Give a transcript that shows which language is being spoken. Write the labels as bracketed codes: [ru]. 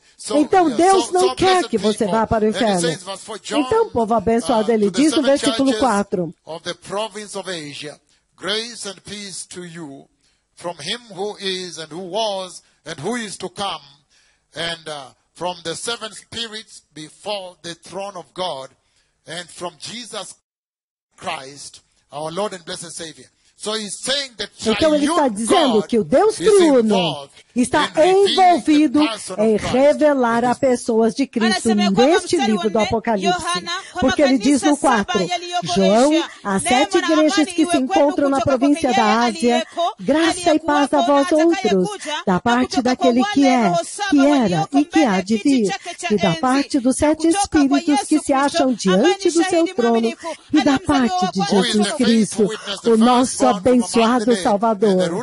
[pt] Então Deus não quer que você vá para o inferno. Então, povo abençoado, ele diz no versículo 4: [en] of the province of Asia, grace and peace to you from him who is and who was and who is to come, and from the seven spirits before the throne of God, and from Jesus Christ, our Lord and blessed Savior. [pt] Então ele está dizendo que o Deus triuno está envolvido em revelar a pessoas de Cristo neste livro do Apocalipse. Porque ele diz no 4: João, as sete igrejas que se encontram na província da Ásia, graça e paz a vós outros, da parte daquele que é, que era e que há de vir, e da parte dos sete espíritos que se acham diante do seu trono, e da parte de Jesus Cristo, o nosso abençoado Salvador.